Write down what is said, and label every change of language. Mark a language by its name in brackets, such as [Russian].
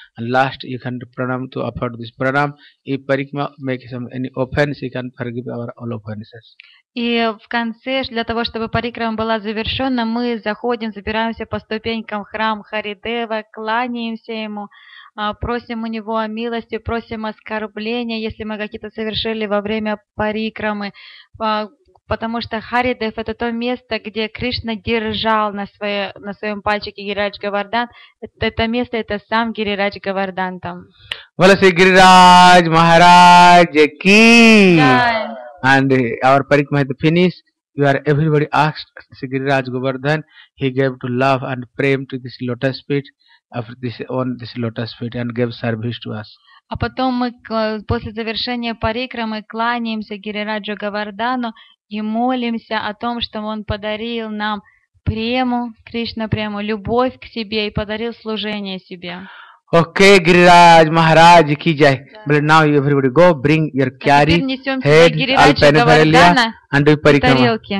[English] And last, you can pranam to offer this pranam. If Parikma makes any offense, you can forgive our all offenses. [Russian] И в конце, для того, чтобы парикрама была завершена, мы заходим, забираемся по ступенькам в храм Харидева, кланяемся ему, просим у него о милости, просим оскорбления, если мы какие-то совершили во время парикрамы. Потому что Харидев — это то место, где Кришна держал на своем пальчике Гирирадж Говардан. Это место, это сам Гирирадж Говардан там. [Hindi] Валаси Гирирадж Махарадж ки! [English] And our parikrama is finished. You are everybody asked Sridhar Govardhan. He gave to love and prem to this lotus feet, after this on this lotus feet, and gave service to us. [Russian] А потом мы после завершения парикрамы кланяемся Гирираджу Говардану и молимся о том, что он подарил нам прему, Кришна прему, любовь к себе и подарил служение себе. [English] Okay, [Hindi] Гирирадж Махарадж ки джай. [English] But now everybody go, bring your carry, head, alpenparalia, and do parikrama.